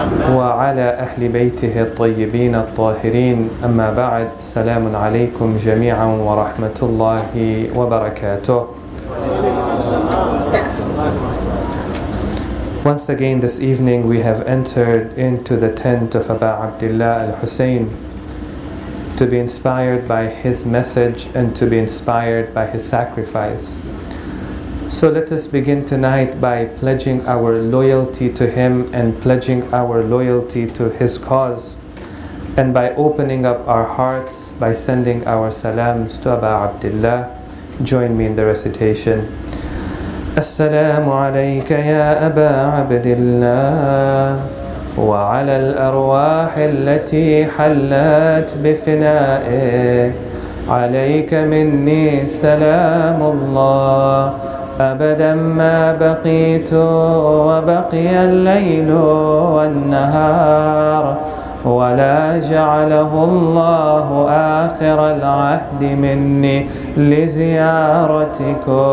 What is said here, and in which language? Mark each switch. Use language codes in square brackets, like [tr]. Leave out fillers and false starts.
[ar] وعلى أهل بيته الطيبين الطاهرين أما بعد سلام عليكم جميعا ورحمة الله وبركاته. [en] Once again this evening we have entered into the tent of Aba Abdullah al-Hussein to be inspired by his message and to be inspired by his sacrifice. So let us begin tonight by pledging our loyalty to him and pledging our loyalty to his cause and by opening up our hearts by sending our salams to Aba Abdullah. Join me in the recitation. [ar] السلام عليك يا أبا عبد الله وعلى الأرواح التي حلت بفنائك عليك مني سلام الله أبدا ما بقيت وبقي الليل والنهار ولا جعله الله آخر العهد مني لزيارتكم